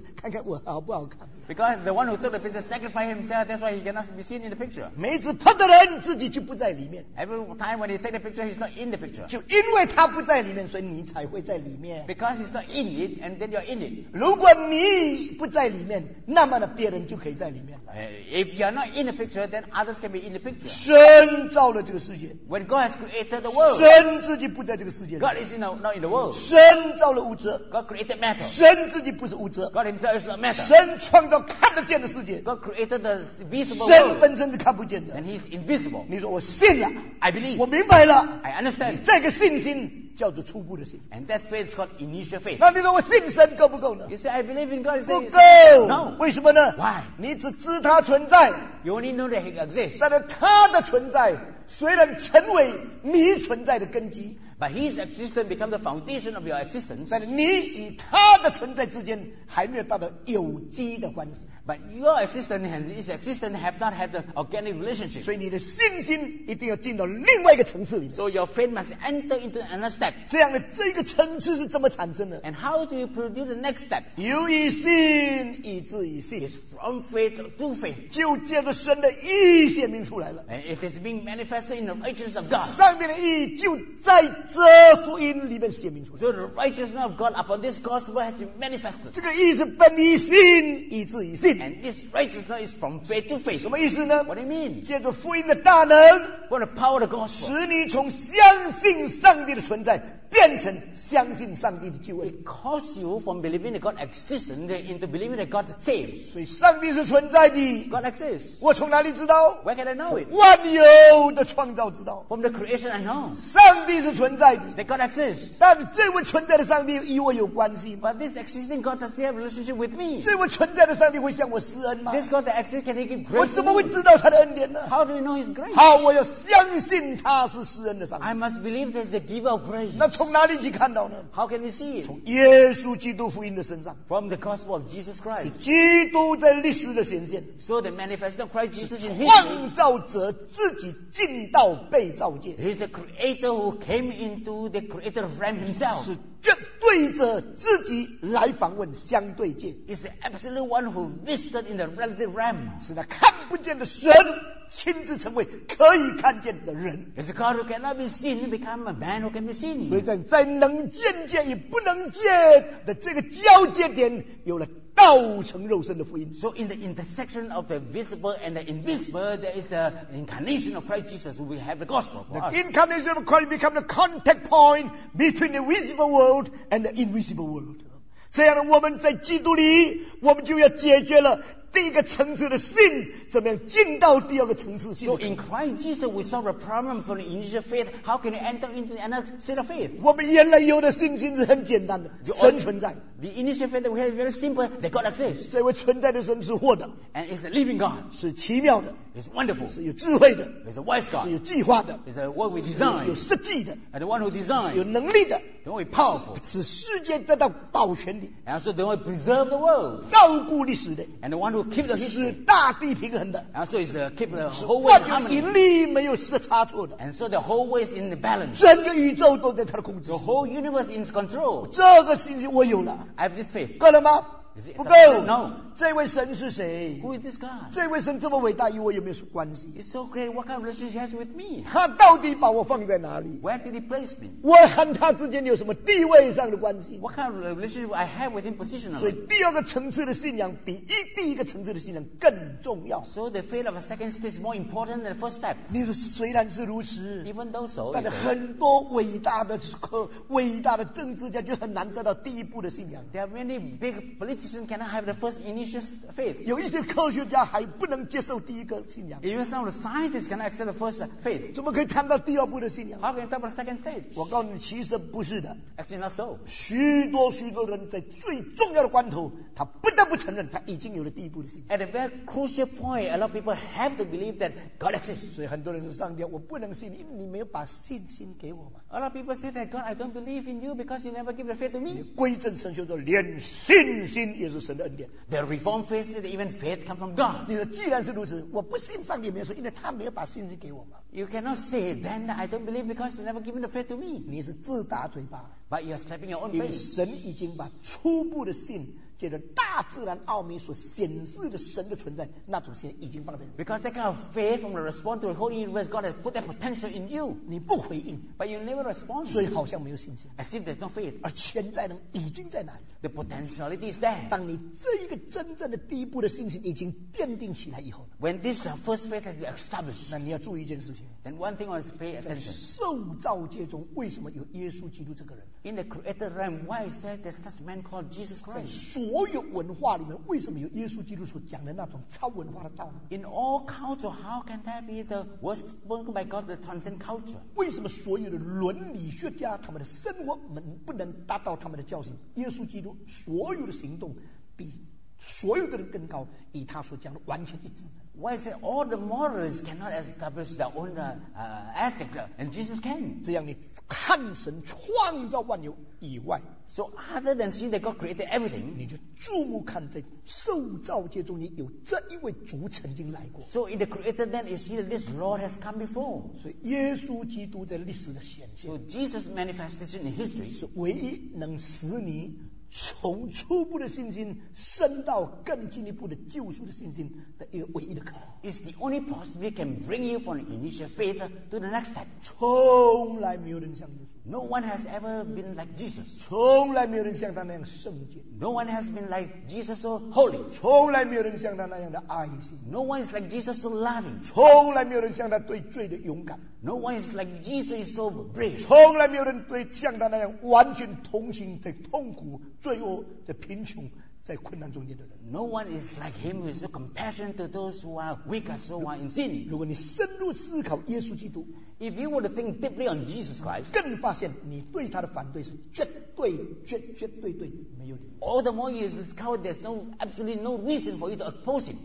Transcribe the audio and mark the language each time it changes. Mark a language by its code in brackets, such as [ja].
[zh] 看看我好不好看 [en] ？Because the one who took the picture sacrificed himself, that's why he cannot be seen in the picture. [zh] 每一次拍的人自己就不在里面。 [en] Every time when he take the picture, he's not in the picture. [zh] 就因为他不在里面，所以你才会在里面。 [en] Because he's not in it, and then you're in it. [zh] 如果你不在里面，那么呢，别人就可以在里面。 [en] If you're not in the picture, then others can be in the picture. [zh] 神造了这个世界。 [en] When God has created the world, [zh] 神自己不在这个世界。 [en] God is not in the world. [zh] 神造了。 [en] God created matter. [zh] 神自己不是物质。 [en] God himself is not matter. [zh] 神创造看得见的世界。 [en] God created the visible world. [zh] 神本身是看不见的。 [en] And he's invisible. [zh] 你说我信了。 [en] I believe. [zh] 我明白了。 [en] I understand. [zh] 这个信心叫做初步的信。 [en] And that faith is called initial faith. [zh] 那你说我信神够不够呢？ [en] You say I believe in God. [zh] 不够。 [en] No. [zh] 为什么呢？ [en] Why? [zh] 你只知他存在。 [en] You only know that he exists. [zh] 但是他的存在虽然成为你存在的根基。 [en] But his existence becomes the foundation of your existence. [zh] 但是你与他的存在之间还没有到达有机的关系。 [en] But your existence and his existence have not had the organic relationship. [zh] 所以你的信心一定要进到另外一个层次里面。 [en] So your faith must enter into another step. [zh] 这样的这个层次是怎么产生的 [en] ？And how do you produce the next step? [zh] 由于信以至于信 [en] ，is from faith to faith. [zh] 就借着神的义显明出来了。 [en] And it is being manifested in the righteousness of God. [zh] 上面的义就在。这福音里面显明出来。 [en] So the righteousness of God upon this gospel has been manifested. [zh] 这个义是本于信，以至于信。 [en] And this righteousness is from faith to faith. [zh] 什么意思呢 [en] ？What do you mean? [zh] 借着福音的大能 [en] ，for the power of the gospel， [zh] 使你从相信上帝的存在。变成相信上帝的救恩 [en] ，It causes you from believing that God exists into believing that God saves. [zh] 所以上帝是存在的 [en] ，God exists. [zh] 我从哪里知道 [en] ？Where can I know it? [zh] 万有的创造知道 [en] ，From the creation I know. [zh] 上帝是存在的 [en] ，That God exists. [zh] 但这位存在的上帝与我有关系 [en] ？But this existing God does he have a relationship with me? [zh] 这位存在的上帝会向我施恩吗 [en] ？This God that exists can he give grace? [zh] 我怎么会知道他的恩典呢 [en] ？How do you know his grace? [zh] 好，我要相信他是施恩的上帝。 [en] I must believe that he's the giver of grace. [zh] 从哪里去看到呢 [en] ？How can you see？ [zh] 从耶稣基督福音的身上 [en] ，From the gospel of Jesus Christ， [zh] 是基督在历史的显现 [en] ，So the manifestation of Christ Jesus in history， [zh] 创造者自己进到被造界 [en] ，He's the creator who came into the creator realm himself， [zh] 是绝对者自己来访问相对界 [en] ，He's the absolute one who visited in the relative realm， [zh] 是那看不见的神。亲自成为可以看见的人 [en] It's a God who cannot be seen become a man who can be seen [zh] 所以在能见见与不能见的这个交界点有了道成肉身的福音 [en] So in the intersection of the visible and the invisible There is the incarnation of Christ Jesus We have the gospel for the us The incarnation of Christ become the contact point Between the visible world and the invisible world [zh] 这样的我们在基督里我们就要解决了第一个层次的信怎么样进到第二个层次信 [en] So in Christ Jesus we solve a problem for the initial faith How can you enter into another state of faith [zh] 我们原来有的信心是很简单的 神存在 [en] The initial faith that we have is very simple that God exists [zh] 这位存在的神是活的 [en] And it's a living God [zh] 是奇妙的 [en] It's wonderful [zh] 是有智慧的 [en] It's a wise God [zh] 是有计划的 [en] It's a what we design [zh] 有设计的 [en] And the one who designed [zh] 有能力的 [en] The one who is powerful [zh] 使世界得到保全的 [en] And also the one who preserves the world [zh] 照顾历史的 [en] And the one who keep the [zh] 是大地平衡的 [en] and so it's a keep the whole way [zh] 是万有引力没有是差错的 [en] and so the whole way is in the balance [zh] 整个宇宙都在他的控制 [en] the whole universe is in control [zh] 这个信息我有了 [en] I have this faith [zh] 够了吗 [en] is it [zh] 不够 [en] no [zh] 这位神是谁？ [en] Who is this God? [zh] 这位神这么伟大，与我有没有关系？ [en] It's so great. What kind of relationship has with me? [zh] 他到底把我放在哪里？ [en] Where did he place me? [zh] 我和他之间有什么地位上的关系？ [en] What kind of relationship I have with him positionally? [zh] 所以第二个层次的信仰比第一个层次的信仰更重要。 [en] So the faith of a second step is more important than the first step. [zh] 你说虽然是如此， [en] even though so, [zh] 但是很多伟大的伟大的政治家就很难得到第一步的信仰。 [en] There are many big politicians cannot have the first initial faith. [zh] 有一些科学家还不能接受第一个信仰。 [en] Even some of the scientists cannot accept the first faith. [zh] 怎么可以谈到第二步的信仰？ [en] How can you talk about the second stage? [zh] 我告诉你，其实不是的。 [en] Actually, not so. [zh] 许多许多人在最重要的关头，他不得不承认他已经有了第一步的信仰。 [en] At a very crucial point, a lot of people have to believe that God exists. [zh] 所以很多人说，上帝，我不能信，因为你没有把信心给我嘛。 [en] A lot of people say that God, I don't believe in you because you never give the faith to me. [zh] 归正神学说，连信心也是神的恩典。 [en] The Reformed faith says that even faith comes from God. [zh] 你说既然是如此，我不信上帝没有说，因为他没有把信心给我嘛。 [en] You cannot say then that I don't believe because you never given the faith to me. [zh] 你是自打嘴巴。 [en] But you are slapping your own face. [zh] 因为神已经把初步的信，借着大自然奥秘所显示的神的存在，那种信已经放在你。 [en] Because that kind of faith from the response to the whole universe, God has put that potential in you. [zh] 你不回应 [en] ，but you never respond. [zh] 所以好像没有信心。 [en] As if there's no faith. [zh] 而潜在能已经在哪里 [en] ？The potentiality is there. [zh] 当你这一个真正的第一步的信心已经奠定起来以后 [en] ，When this first faith has been established, [zh] 那你要注意一件事情。 [en] Then one thing I must pay attention. [zh] 在受造界中，为什么有耶稣基督这个人 [en] ？In the created realm, why is there this such man called Jesus Christ? [zh] 所有文化里面，为什么有耶稣基督所讲的那种超文化的道理 [en] ？In all culture, how can that be the words spoken by God, the transcend culture? [zh] 为什么所有的伦理学家他们的生活门不能达到他们的教训？耶稣基督所有的行动比所有的人更高，与他所讲的完全一致。 [en] Why is it all the morals cannot establish their own ethics, and Jesus can? [zh] 这样你看神创造万有以外。 [en] So other than seeing that God created everything, [zh] 你就注目看在受造界中，你有这一位主曾经来过。 [en] So in the created then, you see that this Lord has come before. [zh] 所以耶稣基督在历史的显现。 [en] So Jesus manifestation in history [zh] 是唯一能使你从初步的信心升到更进一步的救赎的信心的一个唯一的可能。 [en] It's the only possibility can bring you from the initial faith to the next step. [zh] 从来没有人像耶稣。 [en] No one has ever been like Jesus. [zh] 从来没有人像他那样圣洁。 [en] No one has been like Jesus so holy. [zh] 从来没有人像他那样的爱心。 [en] No one is like Jesus so loving. [zh] 从来没有人像他对罪的勇敢。 [en] No one is like Jesus so brave. [zh] 从来没有人对像他那样完全同情在痛苦罪恶在贫穷在困难中间的人。 [en] No one is like him who is so compassionate to those who are weak and so are in sin. [zh] 如果你深入思考耶稣基督， [en] If you were to think deeply on Jesus Christ, [zh] 更发现你对他的反对是绝对绝绝对对没有理由。 [en] All the more you discover there's no absolutely no reason for you to oppose him.